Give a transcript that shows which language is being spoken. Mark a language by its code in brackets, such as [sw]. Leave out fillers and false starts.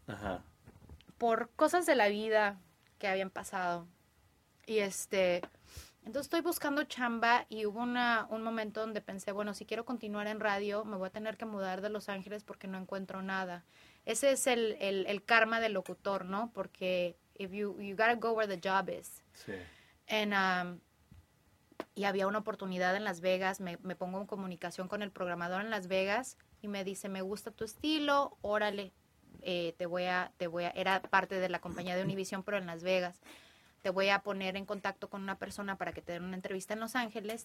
[es] Ajá. Por cosas de la vida que habían pasado. Y entonces estoy buscando chamba y hubo un momento donde pensé, bueno, si quiero continuar en radio, me voy a tener que mudar de Los Ángeles porque no encuentro nada. Ese es el karma del locutor, ¿no? [en] Porque you gotta go where the job is. [es] Sí. Y había una oportunidad en Las Vegas, me pongo en comunicación con el programador en Las Vegas y me dice, me gusta tu estilo, órale, era parte de la compañía de Univision, pero en Las Vegas. Te voy a poner en contacto con una persona para que te den una entrevista en Los Ángeles.